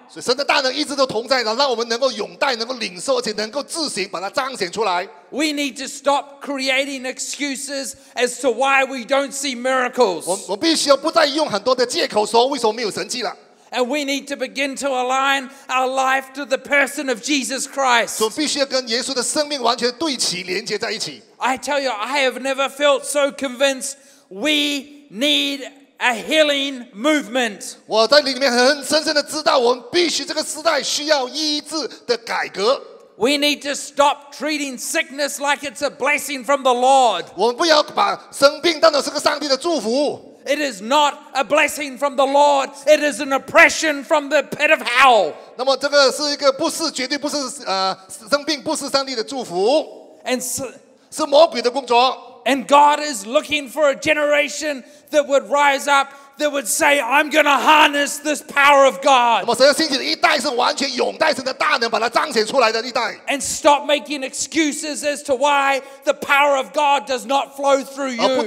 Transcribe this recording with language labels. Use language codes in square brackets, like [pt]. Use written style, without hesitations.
[zh] 所以神的大能一直都同在，让我们能够拥戴，能够领受，而且能够自行把它彰显出来。 [en] We need to stop creating excuses as to why we don't see miracles. [zh] 我必须要不再用很多的借口说为什么没有神迹了。 [en] And we need to begin to align our life to the person of Jesus Christ. [zh] 所以必须要跟耶稣的生命完全对齐，连接在一起。 [en] I tell you, I have never felt so convinced. We need a healing movement. [zh] 我在里面很深深的知道，我们必须这个时代需要医治的改革。 [en] We need to stop treating sickness like it's a blessing from the Lord. [zh] 我们不要把生病当成是个上帝的祝福。 [en] It is not a blessing from the Lord. It is an oppression from the pit of hell. [zh] 那么这个是一个不是绝对不是生病不是上帝的祝福。 [en] And [zh] 是魔鬼的工作。 [en] And God is looking for a generation that would rise up that would say, I'm going to harness this power of God. And stop making excuses as to why the power of God does not flow through you.